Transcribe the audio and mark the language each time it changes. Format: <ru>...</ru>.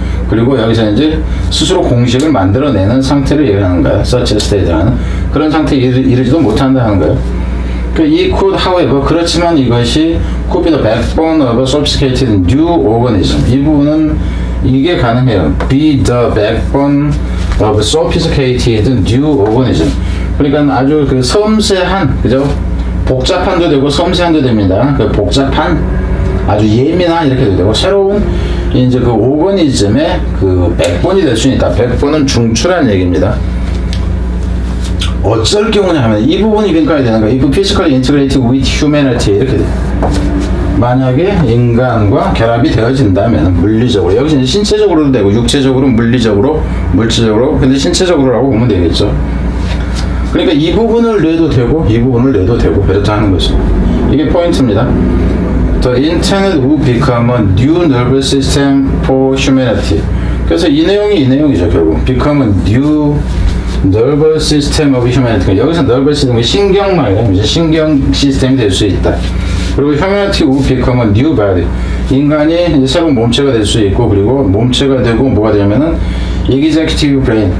<ko>그리고 여기서 이제 스스로 공식을 만들어내는 상태를 얘기하는 거예요.</ko> <en>such a state라는</en> <ko>그런 상태에 이르지도 못한다 하는 거예요. 그 이</ko> <en>could however</en> <ko>그렇지만 이것이</ko> <en>could be the backbone of a sophisticated new organism.</en> <ko>이 부분은 이게 가능해요.</ko> <en>be the backbone of a sophisticated new organism.</en> <ko>그러니까 아주 그 섬세한 그죠 복잡한도 되고 섬세한도 됩니다. 그 복잡한 아주 예민한 이렇게도 되고 새로운 이제 그 오거니즘의 그 백본이 될 수 있다. 백본은 중추라는 얘기입니다. 어쩔 경우냐 하면 이 부분이 빈칸이 되는 거예요.</ko> <en>If physically integrated with humanity</en> <ko>이렇게 돼. 만약에 인간과 결합이 되어진다면 물리적으로 여기서 이제 신체적으로도 되고 육체적으로 물리적으로 물질적으로 근데 신체적으로라고 보면 되겠죠. 그러니까 이 부분을 내도 되고 이 부분을 내도 되고 그렇다는 거죠. 이게 포인트입니다.</ko> <en>The internet will become a new nervous system for humanity.</en> <ko>그래서 이 내용이 이 내용이죠.</ko> <en>결국 become a new nervous system of humanity.</en> <ko>여기서 nervous system은 신경 말고 이제 신경 시스템이 될 수 있다. 그리고</ko> <en>humanity will become a new body.</en> <ko>인간이 이제 새로운 몸체가 될 수 있고 그리고 몸체가 되고 뭐가 되냐면은 executive brain.</ko>